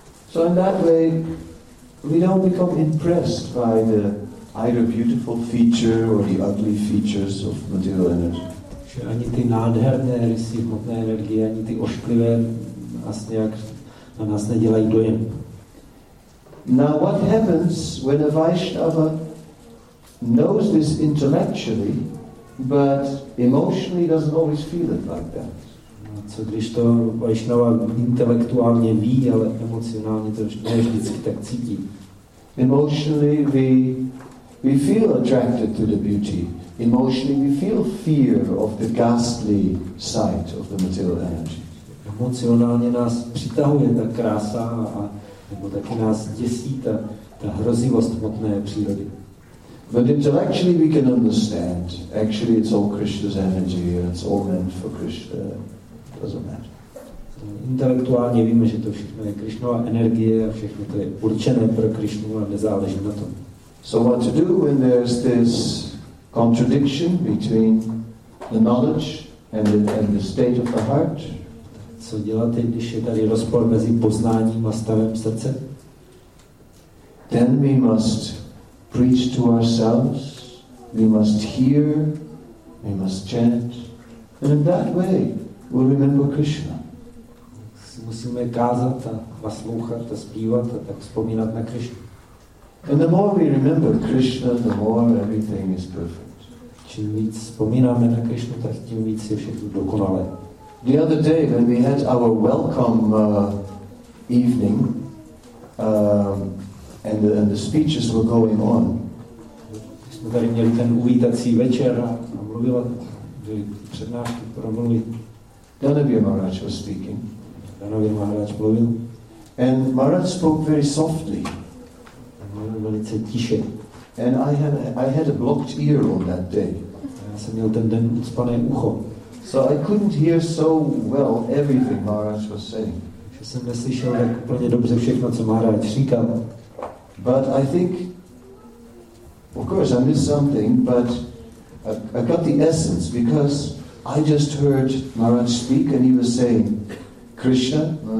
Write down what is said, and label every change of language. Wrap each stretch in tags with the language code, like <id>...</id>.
<en>So in that way, we don't become impressed by the either beautiful feature or the ugly features of material energy.</en> <cs>Že ani ty nádherné rysy hmotné energie, ani ty ošklivé nás nějak na nás nedělají dojem.</cs> <en>Now what happens when a Vaishnava knows this intellectually, but emotionally doesn't always feel it like that?</en> <cs>No, co když to Vaishnava intelektuálně ví, ale emocionálně to ne vždycky tak cítí?</cs> <en>Emotionally we feel attracted to the beauty. Emotionally, we feel fear of the ghastly sight of the material energy.</en> <cs>Emocionálně nás přitahuje ta krása a nebo taky nás děsí ta hrozivost hmotné přírody.</cs> <en>But intellectually, we can understand. Actually, it's all Krishna's energy. It's all meant for Krishna. It doesn't matter.</en> <cs>Intelektuálně víme, že to všechno je Krishnova energie a všechno to je určené pro Krishnu a nezáleží na tom.</cs> <en>So what to do when there's this contradiction between the knowledge and the state of the heart?</en> <cs>Co děláte, když je tady rozpor mezi poznáním a stavem srdce?</cs> <en>Then we must preach to ourselves, we must hear, we must chant, and in that way we'll remember Krishna.</en> <cs>Musíme kázat a naslouchat a zpívat a tak vzpomínat na Krishnu.</cs> <en>And the more we remember Krishna, the more everything is perfect.</en> <cs>Čím víc vzpomínáme na Krishnu, tak tím víc je všechno dokonalé.</cs> <en>The other day, when we had our welcome evening, and the speeches were going on.</en> <cs>Jsme tady měli ten uvítací večer a mluvila, byly přednášky, promluvy.</cs> <en>Dhanavir Maharaj was speaking.</en> <cs>Dhanavir Maharaj mluvil.</cs> <en>And Maharaj spoke very softly.</en> <cs>Velice tiše.</cs> <en>And I had a blocked ear on that day.</en> <cs>Já jsem měl ten den ucpané ucho.</cs> <en>So I couldn't hear so well everything Maharaj was saying.</en> <cs>Já jsem neslyšel tak úplně dobře všechno, co Maharaj říkal.</cs> <en>But I think, of course, I missed something, but I got the essence because I just heard Maharaj speak and he was saying, Krishna.</en>